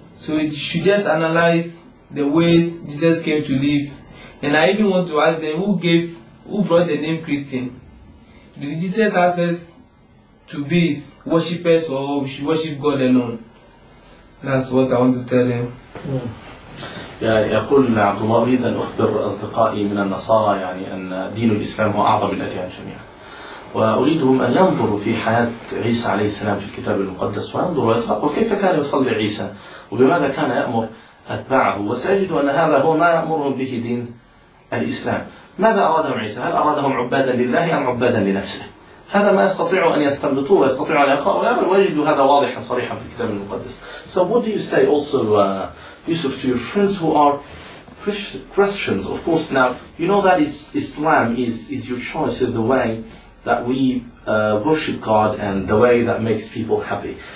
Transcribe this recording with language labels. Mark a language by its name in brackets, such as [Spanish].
[English] So it should just analyze the ways Jesus came to live. And I even want to ask them, who brought the name Christian? Did Jesus ask us to be his worshippers, or we should worship God alone? That's what I want to tell them. [Arabic] يقول عبد الله أريد أن أخبر أصدقائي من النصارى يعني أن دين الإسلام هو أعظم الأديان جميعا، وأريدهم أن ينظروا في حياة عيسى عليه السلام في الكتاب المقدس وينظروا ويتفقوا كيف كان يصلي عيسى وبماذا كان يأمر أتباعه، وسيجدوا أن هذا هو ما يأمرهم به دين الإسلام. ماذا أرادهم عيسى؟ هل أرادهم عبادا لله أم عبادا لنفسه؟ هذا ما يستطيع أن يستنبطوه ويستطيع أن يقرأه، ويجدوا هذا واضحا صريحا في الكتاب المقدس. [English] So what do you say also Yusuf to your friends who are Christians? Of course, now you know that Islam is your choice in the way that we worship God and the way that makes people happy.